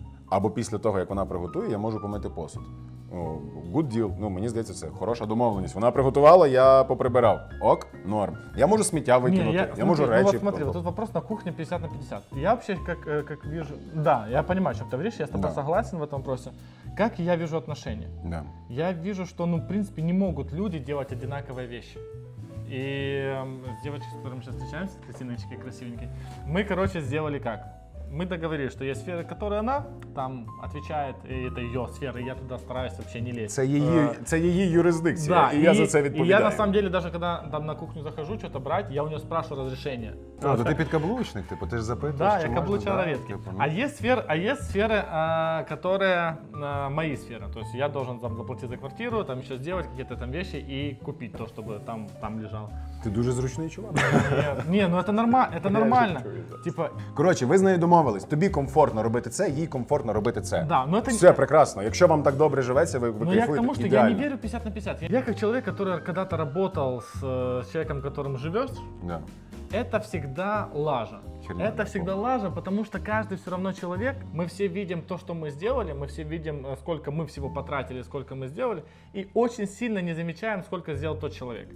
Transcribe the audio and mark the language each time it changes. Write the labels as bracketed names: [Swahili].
[Ukrainian] Або після того, як вона приготує, я можу помити посуд. [English] Good deal. [Ukrainian] Ну, мені здається, це хороша домовленість. Вона приготувала, я поприбирав. Ок, норм. Я можу сміття викинути, я можу речі... [Russian] Ну, от смотри, тут вопрос [Ukrainian] на кухні 50 на 50. Я взагалі, як вижу... Да, я розумію, що ти говориш, я з тобою согласен в цьому питанні. [Russian] как я вижу отношения. Да. Я вижу, что, ну, в принципе, не могут люди делать одинаковые вещи. И с девочкой, с которой мы сейчас встречаемся, красивенькие, красивенькие, мы, короче, сделали как? Мы договорились, что есть сфера, которая она там отвечает, и это ее сфера, и я туда стараюсь вообще не лезть. Это ее юрисдикция, да, и я за это відповідаю. И я на самом деле, даже когда там на кухню захожу что-то брать, я у нее спрашиваю разрешение. [Ukrainian] А, то ты підкаблучник, типу, ти ж запитуєш, [Russian] да, я каблуча на ветке. А есть сферы, которые мои сферы, то есть я должен там заплатить за квартиру, там еще сделать какие-то там вещи и купить то, чтобы там лежало. [Ukrainian] Ты дуже зручний чувак. [Russian] Не, ну это нормально. Короче, вы с ней [Ukrainian] домовились, тобі комфортно робити це, їй комфортно робити це. [Russian] Да, ну это... [Ukrainian] Все прекрасно, якщо вам так добре живеться, ви кайфуєте, ідеально. [Russian] Ну я к тому, что я не верю 50 на 50. Я как человек, который когда-то работал с человеком, которым живешь, да. Это всегда лажа. Хрена, это всегда лажа, потому что каждый все равно человек. Мы все видим то, что мы сделали, мы все видим, сколько мы всего потратили, сколько мы сделали, и очень сильно не замечаем, сколько сделал тот человек.